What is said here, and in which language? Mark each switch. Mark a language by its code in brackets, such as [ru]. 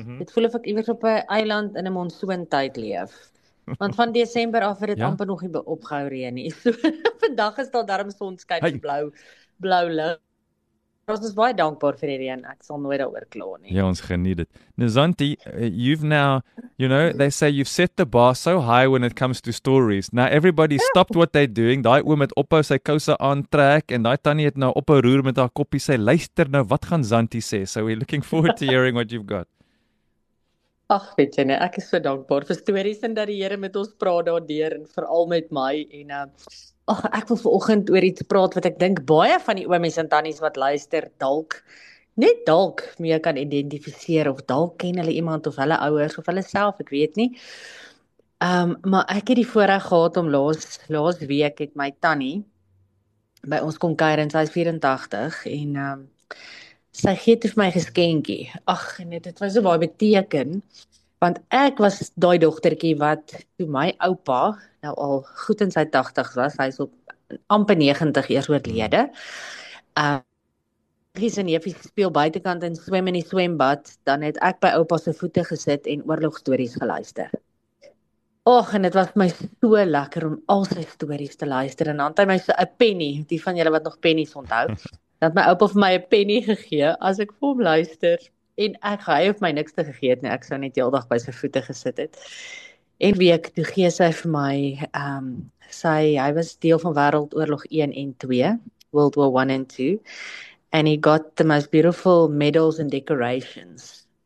[af] Dit voel of ek iewers op 'n eiland in 'n monsoontyd leef. Want van Desember af het dit amper nog nie opgehou reën nie. So, vandag is daar darm sonskyn, blou lig. Ons is baie dankbaar vir die reën. Ek sal nooit daaroor kla nie. Ja, ons geniet dit. [en] Nzanti, you've now, you know, they say you've set the bar so high when it comes to stories. Now everybody stopped what they're doing. [af] Daai oom het ophou sy kouse aantrek en daai tannie het nou ophou roer met haar koppie. Sy luister nou, wat gaan Zanti sê? [en] So we're looking forward to hearing what you've got. [af] Ach, weet jy nie, ek is so dankbaar vir stories en dat die Here met ons praat daardeur en veral met my. En ek wil vanoggend oor iets praat wat ek dink baie van die oomies en tannies wat luister, dalk, net dalk mee kan identifiseer, of dalk ken hulle iemand of hulle ouers of hulle self, ek weet nie. Maar ek het die voorreg gehad om laas week het my tannie by ons kom kuier en sy is 84 en sy gee toe vir my geskenkie. Ag, net, dit was so baie beteken, want ek was daai dogtertjie wat toe my oupa nou al goed in sy 80s was, hy is op amper 90 eers oorlede. Gies en neefies speel buitekant en swem in die swembad, dan het ek by oupa se voete gesit en oorlogstories geluister. Och, en het was my so lekker om al sy stories te luister, en dan het my so 'n penny, die van julle wat nog pennies onthou, dat my oupa vir my 'n penny gegee as ek vir hom luister, en ek hy het my niks te gegee nie, ek sou net die hele dag by sy voete gesit het. En week toe gee sy vir my hy was deel van Wêreldoorlog 1 en 2, [en] World War 1 and 2, and he got the most beautiful medals and decorations.